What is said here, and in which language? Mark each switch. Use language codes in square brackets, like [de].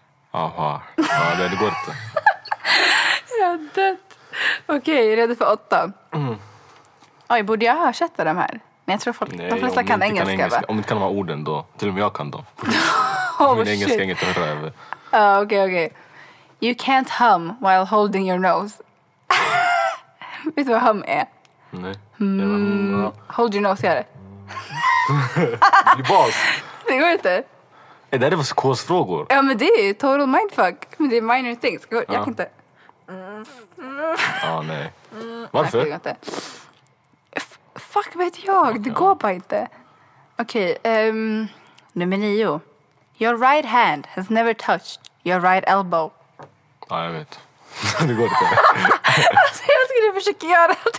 [sv] Aha. Ja, det går inte. Jag är dött. Okej, okay, redo för 8. Oj, borde jag översätta de här? Men jag tror folk, nej, de flesta kan engelska, kan engelska. Om du kan vara orden då, till och med jag kan då. Oh, min engelska är inget att höra över. Okej. [en] You can't hum while holding your nose. [sv] Vet du vad hum är? Nej. [en] Hold your nose, [sv] gör det. Det är bas. Det går inte. Är det vad skåsfrågor? Ja, men det är total mindfuck. Men det är [en] minor things. [sv] Jag kan inte. Ah, nej. Varför? Nej, inte. Fuck, vet jag. Det går bara inte. Okej. Nummer 9. [en] Your right hand has never touched your right elbow. [sv] Ja, jag vet. som det går till. Alltså, jag skulle försöka göra det.